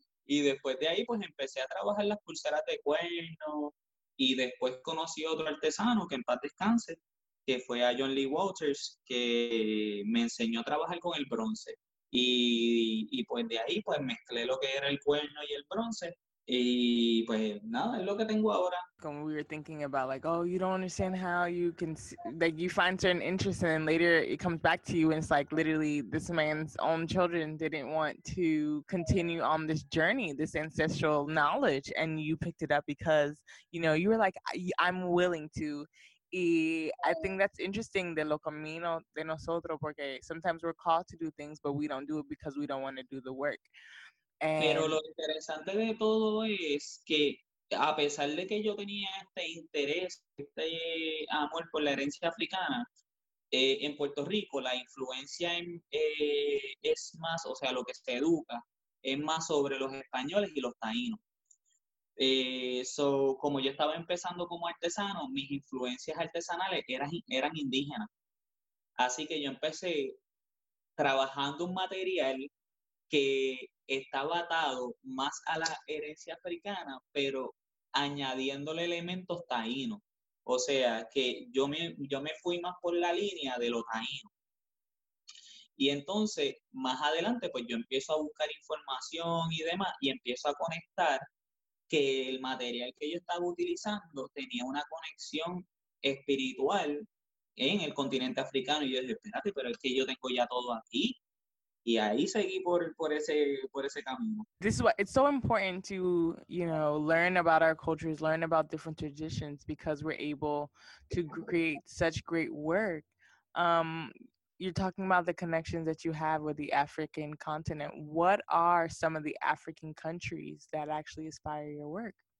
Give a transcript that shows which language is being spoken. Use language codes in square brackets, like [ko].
[es] Y después de ahí, pues, empecé a trabajar las pulseras de cuerno y después conocí a otro artesano, que en paz descanse, que fue a John Lee Walters, que me enseñó a trabajar con el bronce. Y pues, de ahí, pues, mezclé lo que era el cuerno y el bronce. Y pues nada, es lo que tengo ahora. [en] Como we were thinking about, like, oh, you don't understand how you can see, like, you find certain interests and then later it comes back to you and it's like literally this man's own children didn't want to continue on this journey, this ancestral knowledge, and you picked it up because, you know, you were like, I'm willing to. Y I think that's interesting, [es] de lo camino de nosotros, porque [en] sometimes we're called to do things but we don't do it because we don't want to do the work. [es] Pero lo interesante de todo es que, a pesar de que yo tenía este interés, este amor por la herencia africana, en Puerto Rico la influencia es más, o sea, lo que se educa es más sobre los españoles y los taínos. So, como yo estaba empezando como artesano, mis influencias artesanales eran indígenas. Así que yo empecé trabajando un material que estaba atado más a la herencia africana, pero añadiéndole elementos taínos. O sea, que yo me fui más por la línea de lo taíno. Y entonces, más adelante, pues yo empiezo a buscar información y demás, y empiezo a conectar que el material que yo estaba utilizando tenía una conexión espiritual en el continente africano. Y yo dije, espérate, pero es que yo tengo ya todo aquí. Y ahí seguí por ese camino. [en] This is why it's so important to, you know, learn about our cultures, learn about different traditions, because we're able to create such great work. You're talking about the connections that you have with the African continent. What are some of the African countries that actually inspire your work?